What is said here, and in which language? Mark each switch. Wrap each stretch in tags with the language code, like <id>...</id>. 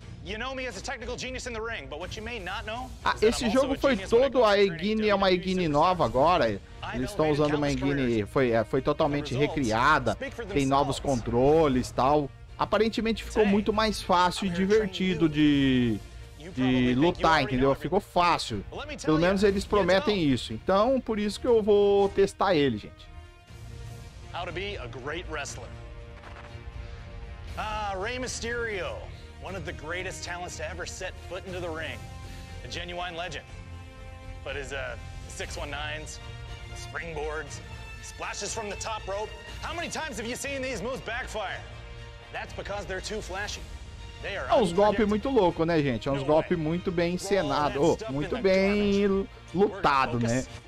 <en>You know me as a technical genius in the ring, but what you may not know</en> <pt>Ah, esse jogo foi todo a Engine, é uma Engine nova agora. Eles estão usando uma Engine, foi totalmente recriada, tem novos controles e tal. Aparentemente ficou muito mais fácil e divertido de lutar, entendeu? Ficou fácil. Pelo menos eles prometem isso. Então, por isso que eu vou testar ele, gente.</pt> <en>How to be a great wrestler. Ah, Rey Mysterio, one of the greatest talents to ever set foot into the ring. A genuine legend. But his 619s, springboards, splashes from the top rope. How many times have you seen these moves backfire? That's because they're too flashy. They are</en> <pt>É uns golpes muito loucos, né, gente? É uns golpes muito bem encenado, muito bem lutado, né?</pt>